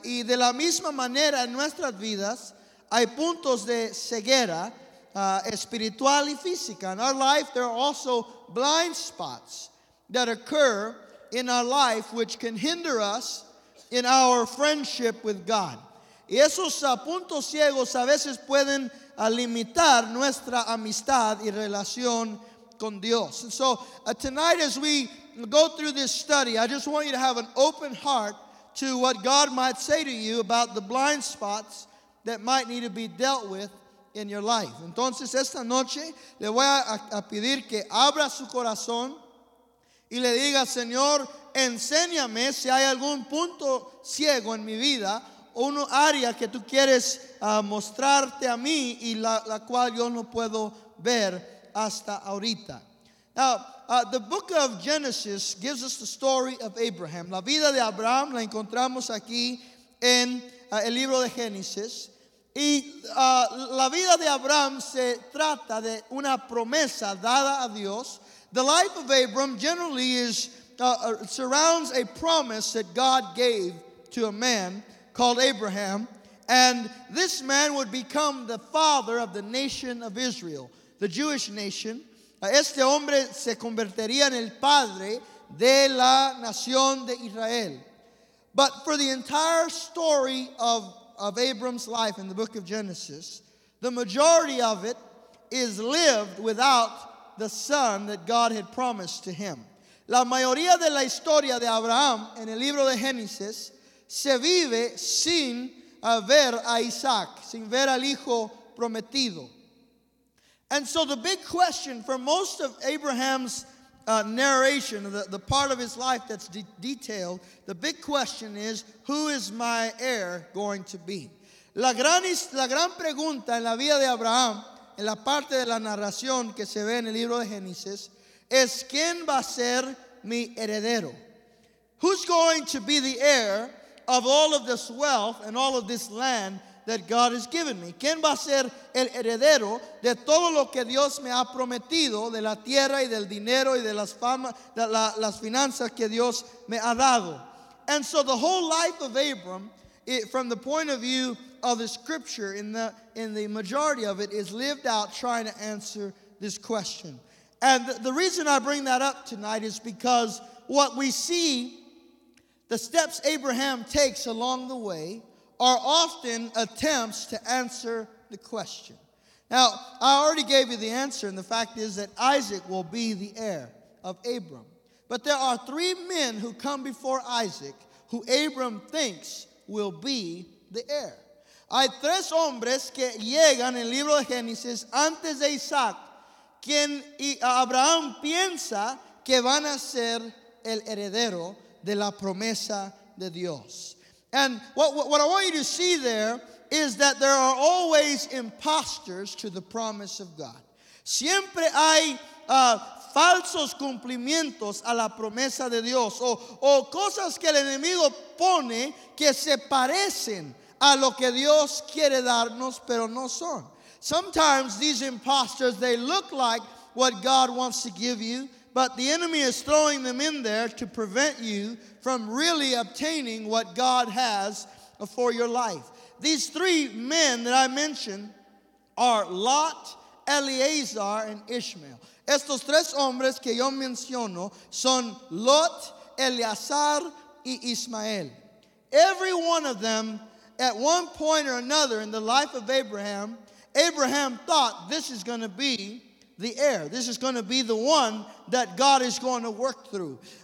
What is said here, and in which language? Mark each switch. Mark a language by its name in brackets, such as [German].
[Spanish] Y de la misma manera en nuestras vidas hay puntos de ceguera espiritual y física. [English] In our life there are also blind spots that occur in our life which can hinder us in our friendship with God. [Spanish] Y esos puntos ciegos a veces pueden a limitar nuestra amistad y relación con Dios. [English] And so tonight as we go through this study, I just want you to have an open heart to what God might say to you about the blind spots that might need to be dealt with in your life. [Spanish] Entonces esta noche le voy a pedir que abra su corazón y le diga, Señor, enséñame si hay algún punto ciego en mi vida, un área que tú quieres mostrarte a mí y la cual yo no puedo ver hasta ahorita. [English] Now, the book of Genesis gives us the story of Abraham. [Spanish] La vida de Abraham la encontramos aquí en el libro de Génesis. Y la vida de Abraham se trata de una promesa dada a Dios. [English] The life of Abraham generally surrounds a promise that God gave to a man called Abraham, and this man would become the father of the nation of Israel, the Jewish nation. [Spanish] Este hombre se convertiría en el padre de la nación de Israel. [English] But for the entire story of Abram's life in the book of Genesis, the majority of it is lived without the son that God had promised to him. [Spanish] La mayoría de la historia de Abraham en el libro de Génesis se vive sin ver a Isaac, sin ver al hijo prometido. [English] And so the big question for most of Abraham's narration, the part of his life that's detailed, the big question is, who is my heir going to be? [Spanish] La gran pregunta en la vida de Abraham, en la parte de la narración que se ve en el libro de Génesis, es, ¿quién va a ser mi heredero? [English] Who's going to be the heir of all of this wealth and all of this land that God has given me? [Spanish] ¿Quién va a ser el heredero de todo lo que Dios me ha prometido, de la tierra y del dinero y de las fama, de las finanzas que Dios me ha dado? [English] And so the whole life of Abram, from the point of view of the scripture, in the majority of it, is lived out trying to answer this question. And the reason I bring that up tonight is because what we see, the steps Abraham takes along the way, are often attempts to answer the question. Now, I already gave you the answer, and the fact is that Isaac will be the heir of Abram. But there are three men who come before Isaac who Abram thinks will be the heir. [Spanish] Hay tres hombres que llegan en el libro de Génesis antes de Isaac, quien Abraham piensa que van a ser el heredero de la promesa de Dios. [English] And what I want you to see there is that there are always imposters to the promise of God. [Spanish] Siempre hay falsos cumplimientos a la promesa de Dios, o cosas que el enemigo pone que se parecen a lo que Dios quiere darnos, pero no son. [English] Sometimes these imposters, they look like what God wants to give you, but the enemy is throwing them in there to prevent you from really obtaining what God has for your life. These three men that I mentioned are Lot, Eleazar, and Ishmael. [Spanish] Estos tres hombres que yo menciono son Lot, Eleazar, y Ismael. [English] Every one of them, at one point or another in the life of Abraham, Abraham thought, this is going to be the heir. This is going to be the one that God is going to work through.